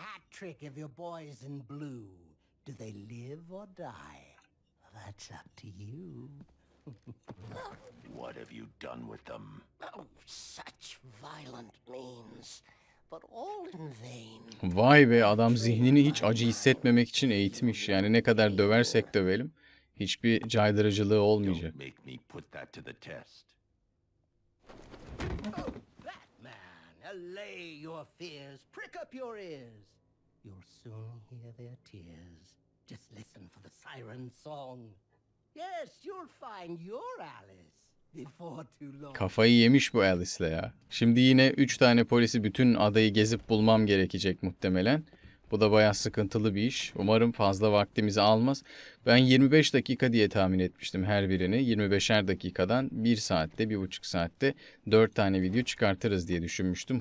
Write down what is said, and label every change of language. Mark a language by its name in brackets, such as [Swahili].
[English] Trick of your boys in blue. Do they live or die? That's up to you. What have you done with them? Oh, such violent means, but all in vain. [Turkish] Vay be, adam zihnini hiç acı hissetmemek için eğitmiş. Yani ne kadar döversek dövelim, hiçbir caydırıcılığı olmayacak. [English] Don't make me put that to the test. Oh, Batman, allay your fears, prick up your ears. You'll soon hear their tears. Just listen for the siren song. Yes, you'll find your Alice before too long. [Turkish] Kafayı yemiş bu Alice'le ya. Şimdi yine 3 tane polisi bütün adayı gezip bulmam gerekecek muhtemelen. Bu da bayağı sıkıntılı bir iş. Umarım fazla vaktimizi almaz. Ben 25 dakika diye tahmin etmiştim her birini. 25'er dakikadan 1 saatte, 1,5 saatte 4 tane video çıkartırız diye düşünmüştüm.